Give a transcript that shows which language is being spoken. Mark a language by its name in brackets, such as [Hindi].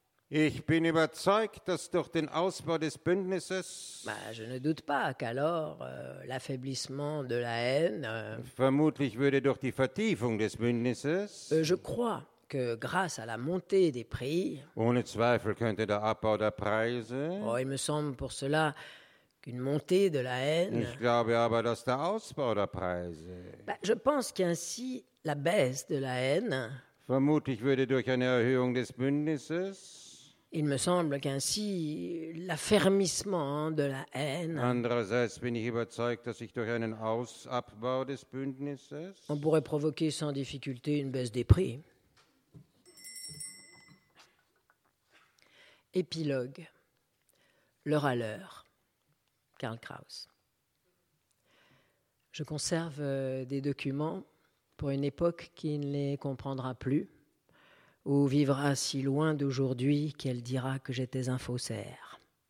[German] Ich bin überzeugt, dass durch den Ausbau des Bündnisses... [French] Bah, je ne doute pas qu'alors l'affaiblissement de la haine... [German] Vermutlich würde durch die Vertiefung des Bündnisses... [French] Je crois que grâce à la montée des prix... [German] Ohne Zweifel könnte der Abbau der Preise... [French] Oh, il me semble pour cela qu'une montée de la haine... [German] Ich glaube aber, dass der Ausbau der Preise... [French] Bah, je pense qu'ainsi la baisse de la haine... [German] Vermutlich würde durch eine Erhöhung des Bündnisses... [French] Il me semble qu'ainsi l'affermissement de la haine... [German] Andererseits bin ich überzeugt, dass ich durch einen Ausabbau des Bündnisses... [French] On pourrait provoquer sans difficulté une baisse des prix. Épilogue. L'heure à l'heure. Karl Kraus. Je conserve des documents pour une époque qui ne les comprendra plus, ou vivra si loin d'aujourd'hui qu'elle dira que j'étais un faussaire.